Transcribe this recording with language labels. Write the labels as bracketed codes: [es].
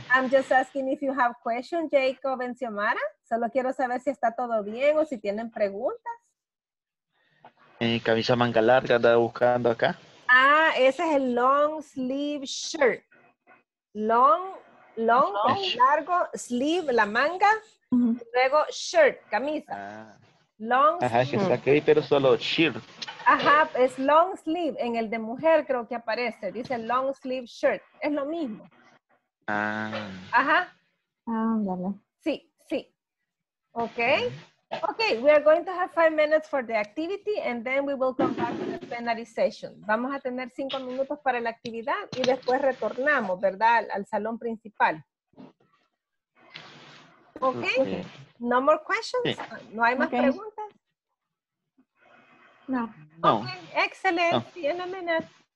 [en] I'm just asking if you have questions, Jacob and Xiomara. [es] Solo quiero saber si está todo bien o si tienen preguntas. En camisa manga larga, andaba buscando acá. Ah, ese es el long sleeve shirt. Long, largo, sleeve, la manga, luego shirt, camisa. Ah. Long sleeve. Ajá, es que está aquí, pero solo shirt. Ajá, es long sleeve, en el de mujer creo que aparece, dice long sleeve shirt, es lo mismo. Ah. Ajá. Ándale. [en] Sí. Okay. Okay, we are going to have 5 minutes for the activity and then we will come back to the plenary session. [es] Vamos a tener 5 minutos para la actividad y después retornamos, ¿verdad? Al salón principal. [en] Okay, no more questions? [es] Sí. ¿No hay más preguntas? No. [en] Okay, excellent. See you in a minute.